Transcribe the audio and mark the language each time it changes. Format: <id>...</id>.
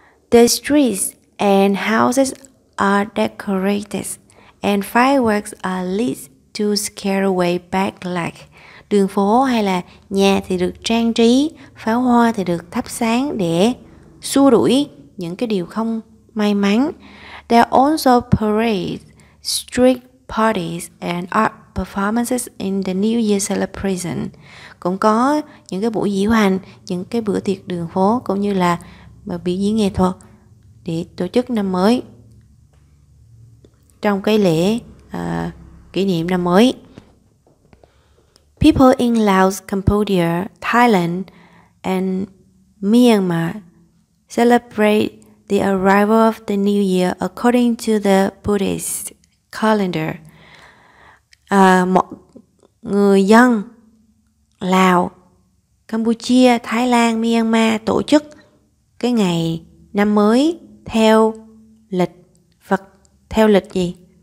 <en>The streets and houses are decorated and fireworks are lit to scare away bad luck.</en> <vi>Đường phố hay là nhà thì được trang trí, pháo hoa thì được thắp sáng để xua đuổi những cái điều không may mắn.</vi> <en>There are also parades, street parties and art performances in the New Year celebration.</en> <vi>Cũng có những cái buổi diễu hành, những cái bữa tiệc đường phố cũng như là biểu diễn nghệ thuật để tổ chức năm mới trong cái lễ kỷ niệm năm mới.</vi> <en>People in Laos, Cambodia, Thailand and Myanmar celebrate the arrival of the New Year according to the Buddhist calendar.</en> <vi>Mọi người dân Lào, Campuchia, Thái Lan, Myanmar tổ chức cái ngày năm mới theo lịch Phật, theo lịch gì?</vi>